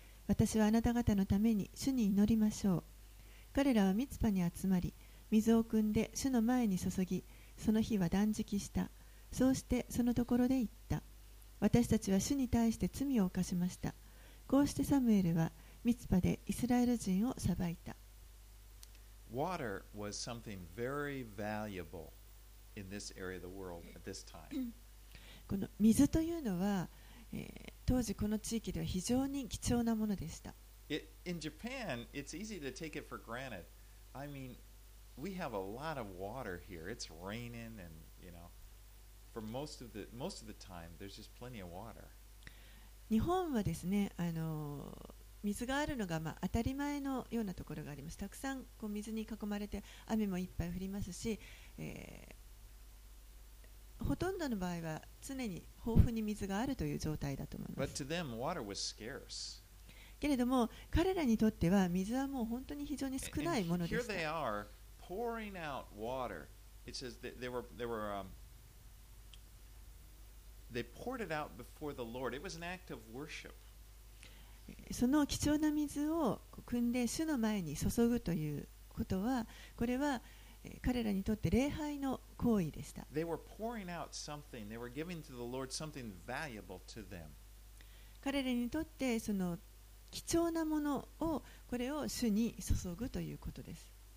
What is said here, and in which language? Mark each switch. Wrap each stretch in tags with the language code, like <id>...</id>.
<ja>私はあなた方のために主に祈りましょう。彼らはミツパに集まり、水を汲んで主の前に注ぎ、その日は断食した。そうしてそのところで言った。私たちは主に対して罪を犯しました。こうしてサムエルはミツパでイスラエル人を裁いた。</ja> <en>Water was something very valuable in this area of the world at this time.</en> <ja>この水というのは、当時この地域では非常に貴重なものでした。</ja> <en>In Japan, it's easy to take it for granted. I mean, we have a lot of water here. It's raining, and you know, for most of the time, there's just plenty of water.</en> <ja>日本はですね、水があるのがまあ当たり前のようなところがあります。たくさんこう水に囲まれて雨もいっぱい降りますし、ほとんどの場合は常に豊富に水があるという状態だと思います。</ja> <en>But to them, water was scarce.</en> <ja>けれども彼らにとっては水はもう本当に非常に少ないものでした。</ja> <en>Here they are pouring out water. It says that they were they poured it out before the Lord. It was an act of worship.</en> <ja>その貴重な水を汲んで主の前に注ぐということは、これは彼らにとって礼拝の行為でした。</ja> <en>They were pouring out something. They were giving to the Lord something valuable to them.</en> <ja>彼らにとってその貴重なものを、これを主に注ぐということです。</ja>